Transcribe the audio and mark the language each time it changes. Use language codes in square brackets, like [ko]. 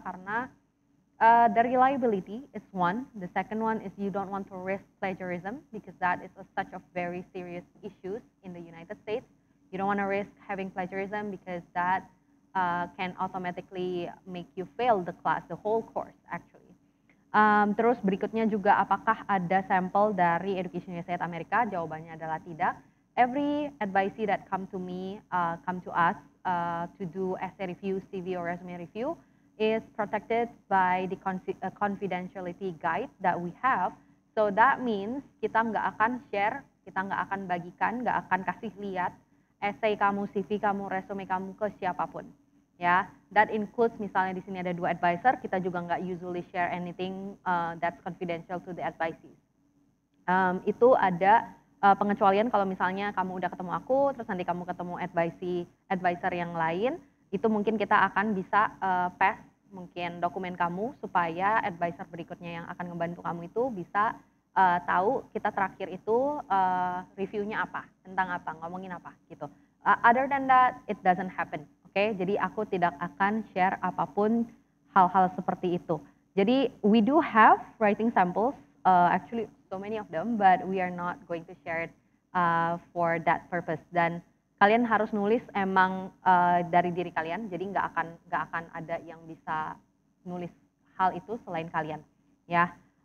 [en] Karena the reliability is one. The second one is you don't want to risk plagiarism because that is such a very serious issue in the United States. You don't want to risk having plagiarism because that can automatically make you fail the class, the whole course actually. [id] Terus berikutnya juga, apakah ada sampel dari Education USA Amerika? Jawabannya adalah tidak. [en] Every advisee that come to us to do essay review, CV or resume review is protected by the confidentiality guide that we have. So that means [id] kita nggak akan share, kita nggak akan bagikan, nggak akan kasih lihat essay kamu, CV kamu, resume kamu ke siapapun. Ya, [en] that includes [id] misalnya di sini ada dua advisor, kita juga nggak [en] usually share anything that's confidential to the advisees. [id] Itu ada pengecualian kalau misalnya kamu udah ketemu aku, terus nanti kamu ketemu advisor yang lain, itu mungkin kita akan bisa pass mungkin dokumen kamu supaya advisor berikutnya yang akan ngebantu kamu itu bisa tahu kita terakhir itu reviewnya apa, tentang apa, ngomongin apa gitu. [en] Other than that, it doesn't happen. [id] Oke, okay, jadi aku tidak akan share apapun hal-hal seperti itu. [en] Jadi, we do have writing samples, actually so many of them, but we are not going to share it for that purpose. [id] Dan kalian harus nulis emang dari diri kalian, jadi nggak akan ada yang bisa nulis hal itu selain kalian, ya.